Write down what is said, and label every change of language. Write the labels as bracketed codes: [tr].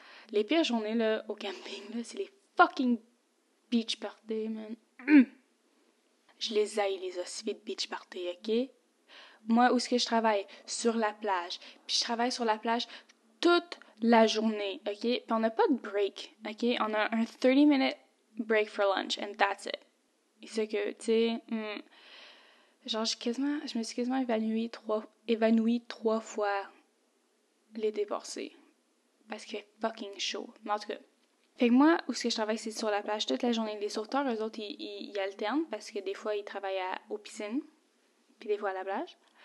[fr] Les pires journées, là, au camping, là, c'est les [en] fucking beach parties, man. [fr] Je les haïs, les hosties de beach parties, ok? Moi, où est-ce que je travaille? Sur la plage. Puis je travaille sur la plage toute la journée, ok? Puis on n'a pas de break, ok? On a un [en] 30-minute break for lunch, and that's it. [fr] C'est que, tu sais, genre, je me suis quasiment évanouie trois fois l'été passé. Parce que fucking chaud. Mais en tout cas. Fait que moi, où ce que je travaille, c'est sur la plage toute la journée. Les sauveteurs, eux autres, ils alternent. Parce que des fois, ils travaillent aux piscines. Puis des fois, à la plage.